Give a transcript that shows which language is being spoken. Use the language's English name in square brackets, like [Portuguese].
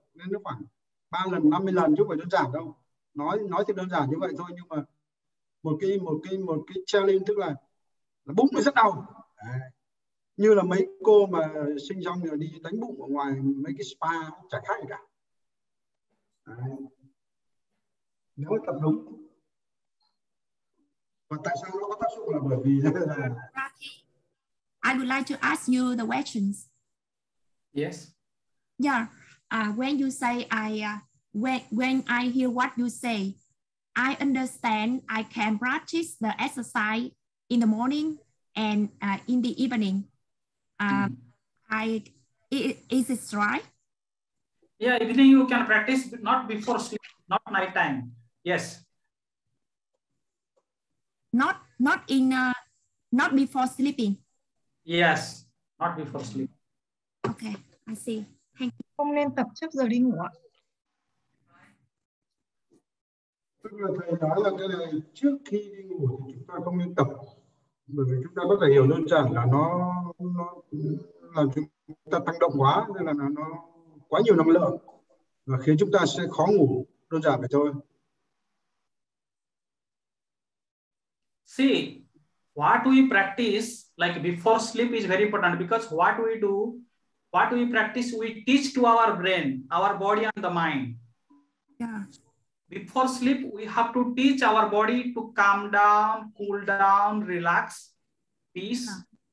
[Vietnamese] Nên nó khoảng 3 lần 50 lần chứ không phải đơn giản đâu. Nói thì đơn giản như vậy thôi, nhưng mà một cái challenge tức là bụng nó rất đau. Như là mấy cô mà sinh xong rồi đi đánh bụng ở ngoài mấy cái spa chả khác gì cả. Đấy. Nếu tập đúng. Và tại sao nó có tác dụng là bởi vì [English] I would like to ask you the questions. Yes. Yeah. When you say when I hear what you say, I understand I can practice the exercise in the morning and in the evening. Is it right? Yeah, evening you can practice, but not before sleep, not night time. Yes. Not before sleeping. Yes, not before sleep. Okay, I see. Thank you. [Vietnamese] Không nên tập trước giờ đi ngủ. Tức là thầy nói là cái này trước khi đi ngủ thì chúng ta không nên tập. Bởi vì chúng ta có thể hiểu đơn giản là nó làm chúng ta tăng động quá, nên là nó quá nhiều năng lượng và khiến chúng ta sẽ khó ngủ, đơn giản vậy thôi. [English] See, what we practice like before sleep is very important, because what we do, what we practice, we teach to our brain, our body and the mind. Yeah. Before sleep, we have to teach our body to calm down, cool down, relax, peace. Yeah.